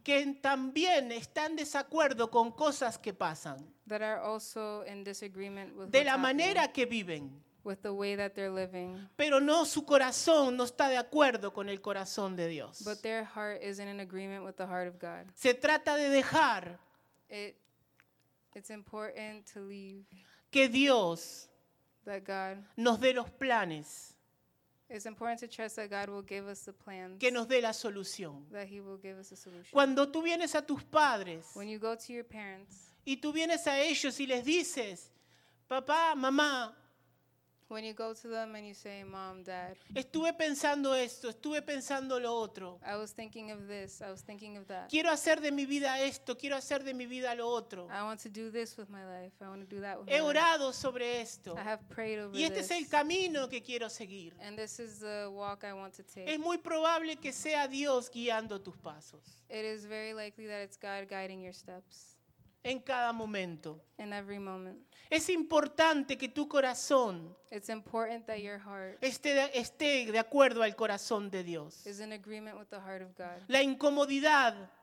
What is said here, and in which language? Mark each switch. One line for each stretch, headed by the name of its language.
Spanish: Que también están en desacuerdo con cosas que pasan.
English: That are also in disagreement with
Spanish: de la manera que viven.
English: With the way that they're living.
Spanish: Pero no, su corazón no está de acuerdo con el corazón de Dios.
English: But their heart isn't in agreement with the heart of God.
Spanish: Se trata de dejar.
English: It's important to leave.
Spanish: Que Dios.
English: That God.
Spanish: Nos dé los planes.
English: It's important to trust that God will give us the plans.
Spanish: Que nos dé la solución.
English: That he will give us a solution.
Spanish: Cuando tú vienes a tus padres.
English: When you go to your parents.
Spanish: Y tú vienes a ellos y les dices. Papá, mamá.
English: When you go to them and you say, mom, dad.
Spanish: Estuve pensando esto, estuve pensando lo otro.
English: I was thinking of this, I was thinking of that.
Spanish: Quiero hacer de mi vida esto, quiero hacer de mi vida lo otro.
English: I want to do this with my life, I want to do that with my life.
Spanish: He orado sobre esto.
English: I have prayed over
Spanish: this. Y este es el camino que quiero seguir.
English: And this is the walk I want to take.
Spanish: Es muy probable que sea Dios guiando tus pasos.
English: It is very likely that it's God guiding your steps.
Spanish: En cada momento.
English: In every moment.
Spanish: Es importante que tu corazón
English: It's important that your heart
Spanish: esté de acuerdo al corazón de Dios.
English: Is in agreement with the heart of God.
Spanish: La incomodidad.